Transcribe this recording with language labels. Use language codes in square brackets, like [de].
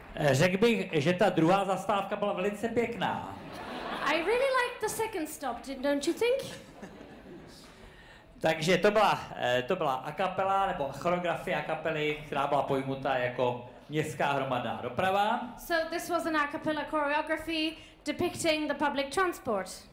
[cs] Řekl bych, že ta druhá zastávka byla velice pěkná. [en] I really liked the second stop, don't you think? [cs] Takže to byla a kapela nebo choreografie a kapely, která byla pojmuta jako městská hromadná doprava. [en] So this was an a cappella choreography depicting the public transport.